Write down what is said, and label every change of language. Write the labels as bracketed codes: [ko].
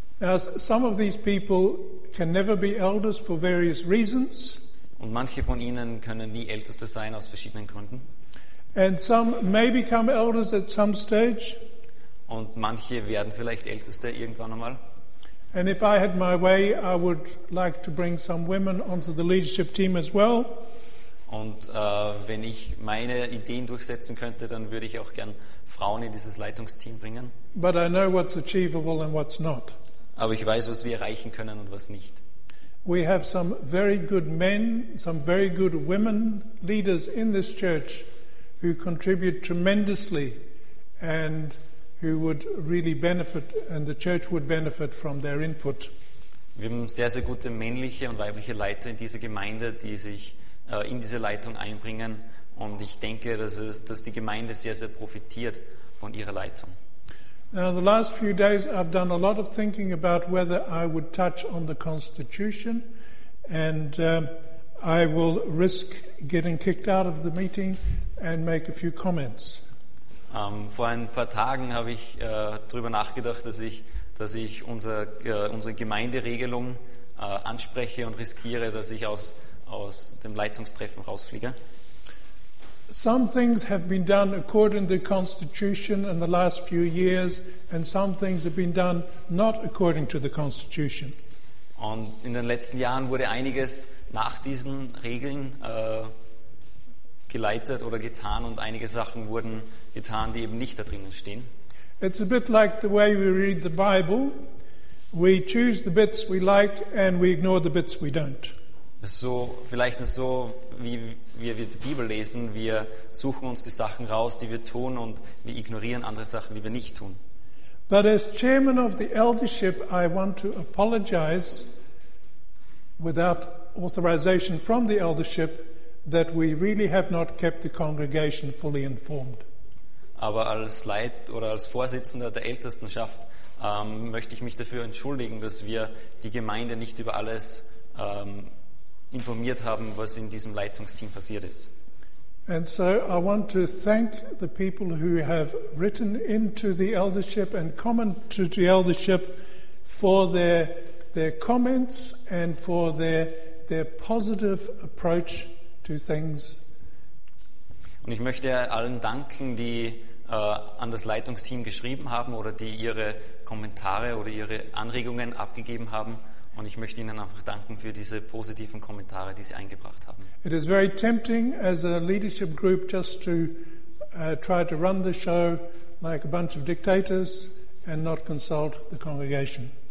[en] Now, some of these people can never be elders for various reasons. [de] Und manche von ihnen können nie Älteste sein aus verschiedenen Gründen. [en] And some may become elders at some stage. [de] Und manche werden vielleicht Älteste irgendwann einmal. [en] And if I had my way, I would like to bring some women onto the leadership team as well. [de] Und wenn ich meine Ideen durchsetzen könnte, dann würde ich auch gern Frauen in dieses Leitungsteam bringen. [en] But I know what's achievable and what's not. [de] Aber ich weiß, was wir erreichen können und was nicht. [en] We have some very good men, some very good women leaders in this church who contribute tremendously and who would really benefit and the church would benefit from their input. [de] Wir haben sehr, sehr gute männliche und weibliche Leiter in dieser Gemeinde, die sich in diese Leitung einbringen. Und ich denke, dass die Gemeinde sehr, sehr profitiert von ihrer Leitung. [en] Now the last few days I've done a lot of thinking about whether I would touch on the Constitution, and I will risk getting kicked out of the meeting and make a few comments. [de] Vor ein paar Tagen habe ich darüber nachgedacht, dass ich unsere Gemeinderegelung anspreche und riskiere, dass ich aus dem Leitungstreffen rausfliege. [en] Some things have been done according to the Constitution in the last few years, and some things have been done not according to the Constitution. [de] Und in den letzten Jahren wurde einiges nach diesen Regeln geleitet oder getan, und einige Sachen wurden getan, die eben nicht da drinnen stehen. [en] It's a bit like the way we read the Bible. We choose the bits we like and we ignore the bits we don't. [de] So, vielleicht so, wie wir die Bibel lesen. Wir suchen uns die Sachen raus, die wir tun, und wir ignorieren andere Sachen, die wir nicht tun. [en] But as chairman of the eldership, I want to apologize without authorization from the eldership that we really have not kept the congregation fully informed. [de] Aber als Leit oder als Vorsitzender der Ältestenschaft möchte ich mich dafür entschuldigen, dass wir die Gemeinde nicht über alles informiert haben, was in diesem Leitungsteam passiert ist. [en] And so I want to thank the people who have written into the eldership and commented to the eldership for their comments and for their positive approach to things. [de] Und ich möchte allen danken, die an das Leitungsteam geschrieben haben oder die ihre Kommentare oder ihre Anregungen abgegeben haben. Und ich möchte Ihnen einfach danken für diese positiven Kommentare, die Sie eingebracht haben. [en] It is very tempting as a leadership group just to try to run the show like a bunch of dictators and not consult the congregation.